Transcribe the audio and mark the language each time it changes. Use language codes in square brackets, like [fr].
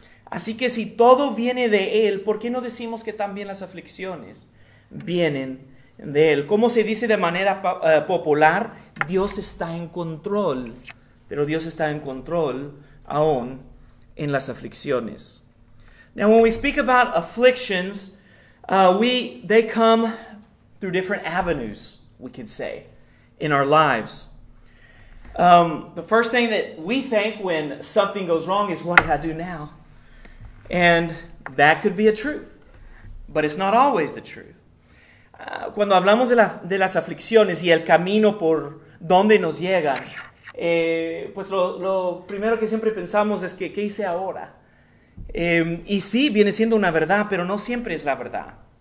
[es] Así que si todo viene de Él, ¿por qué no decimos que también las aflicciones vienen de Él? Como se dice de manera popular, Dios está en control. Pero Dios está en control aún en las aflicciones. [en] Now, when we speak about afflictions, they come through different avenues, we could say, in our lives. The first thing that we think when something goes wrong is, what do I do now? And that could be a truth, but it's not always the truth. [es] Cuando hablamos de las aflicciones y el camino por donde nos llegan, pues lo primero que siempre pensamos es que, ¿qué hice ahora? Y sí, viene siendo una verdad, pero no siempre es la verdad.